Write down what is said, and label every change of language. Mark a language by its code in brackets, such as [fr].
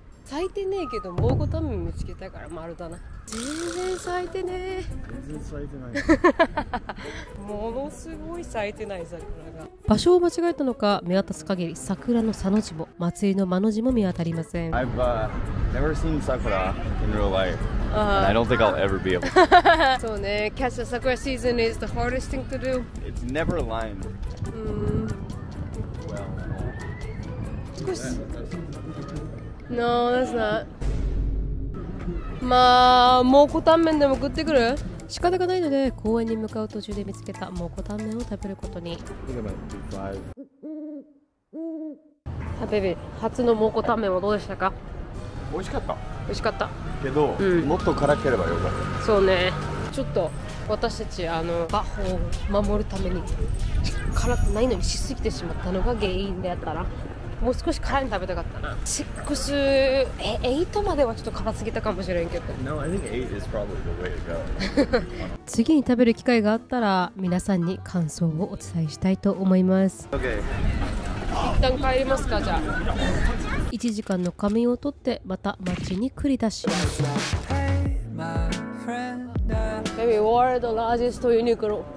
[ja] 咲いてねえけど蒙古タンメン見つけたから丸だな。全然咲いてねえ。全然咲いてない。ものすごい咲いてない桜が。場所を間違えたのか、目当たす限り桜の佐の字も祭りの間の字も見当たりません。 [en] I've never seen sakura in real life. And I don't think I'll ever be able. [ja] そうね。 [en] Catch the sakura season is the hardest thing to do. It's never aligned. Well, no. No, that's not. [ja] まあ、蒙古タンメンでも食ってくる。仕方がないので、公園に向かう途中で見つけた蒙古タンメンを食べることに。さあ、ベビー、初の蒙古タンメンはどうでしたか？美味しかった。美味しかった。けど、うん、もっと辛ければよかった。そうね。ちょっと、私たち、バッホを守るために、辛くないのにしすぎてしまったのが原因であったな。もう少し辛いの食べたかったな。8まではちょっと辛すぎたかもしれんけど。 [en] No, I think 8 is probably the way to go. [ja] 次に食べる機会があったら皆さんに感想をお伝えしたいと思います。 [en] Okay. [ja] 一旦帰りますか。じゃあ 1時間の仮眠を取ってまた街に繰り出します。 [en] Hey, my friend. Baby, what are the largest Uniqlo?